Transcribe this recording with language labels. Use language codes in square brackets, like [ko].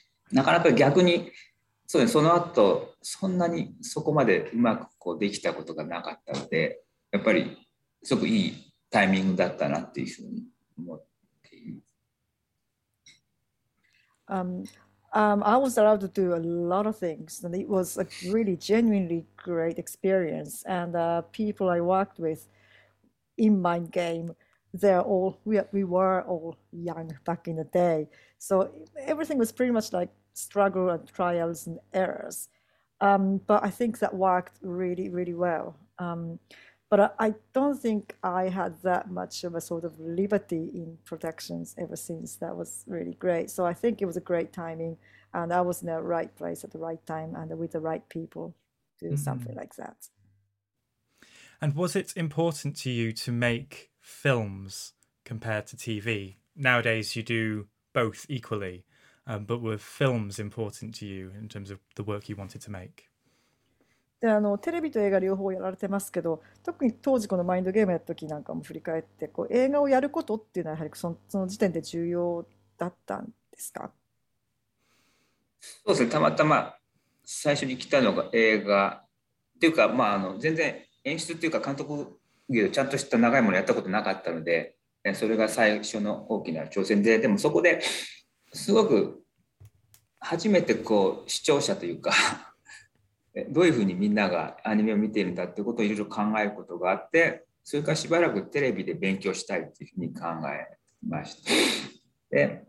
[ja] なかなか逆に その後そんなにそこまでうまくこうできたことがなかったので、やっぱりすごくいいタイミングだったなっていうふうに思っています。 [en] I was allowed to do a lot of things, and it was a really genuinely great experience. And people I worked with in Mind Game, we were all young back in the day. So everything was pretty much like struggle and trials and errors. But I think that worked really, really well. But I don't think I had that much of a sort of liberty in productions ever since. That was really great. So I think it was a great timing, and I was in the right place at the right time and with the right people to do something like that. And was it important to you to make films compared to TV? Nowadays you do both equally, but were films important to you in terms of the work you wanted to make? [ja] で、あのテレビと映画両方やられてますけど、特に当時このマインドゲームやった時なんかも振り返って、こう映画をやることっていうのはやはりその時点で重要だったんですか？そうですね、たまたま最初に来たのが映画っていうか、まあ、あの全然演出っていうか監督業ちゃんとした長いものやったことなかったので、それが最初の大きな挑戦で、でもそこですごく初めてこう視聴者というかどういうふうにみんながアニメを見ているんだってことをいろいろ考えることがあって、それからしばらくテレビで勉強したいっていうふうに考えました。